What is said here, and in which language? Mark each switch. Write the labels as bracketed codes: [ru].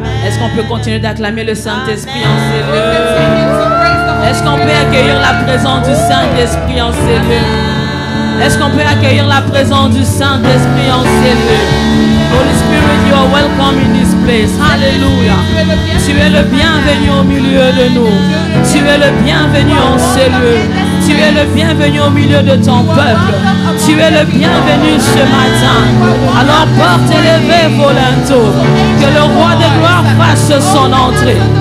[fr] Est-ce qu'on peut continuer d'acclamer le Saint-Esprit en ces lieux? Est-ce qu'on peut accueillir la présence du Saint-Esprit en ces lieux? Est-ce qu'on peut accueillir la présence du Saint-Esprit en ces lieux? [en] Holy Spirit, you are welcome in this place. [fr] Alléluia. Tu es le bienvenu au milieu de nous. Tu es le bienvenu en ces lieux. Tu es le bienvenu au milieu de ton peuple. Tu es le bienvenu ce matin. Alors porte élevé vos linteaux. Que le roi de gloire fasse son entrée.